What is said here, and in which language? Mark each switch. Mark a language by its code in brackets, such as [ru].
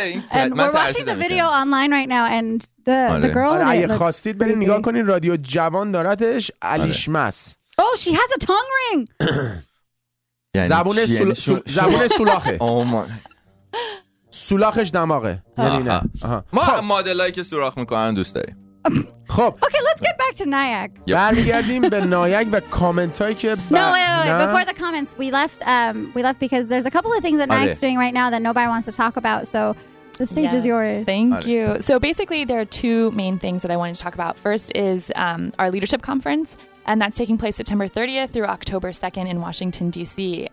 [en] And we're watching the video online right now and the girl. [fa] اگه خواستید برید نگاه کنین، رادیو جوان دارتش. علیشمس. [en] Oh, she has a tongue ring. [fa] زبون سولاخه. سولاخش دماغه. ما مدلایی که سوراخ میکنن دوست داریم. خب. [en] Okay, let's get back to Nayak. [fa] برمیگردیم به نایک و کامنتایی که [en] No, wait. Before the comments, we left because there's a couple of things that Nayak's doing right now that nobody wants to talk about. So the stage is yours. Thank you. So basically there are two main things that I wanted to talk about. First is our leadership conference. And that's taking place September 30th through October 2nd in Washington, D.C.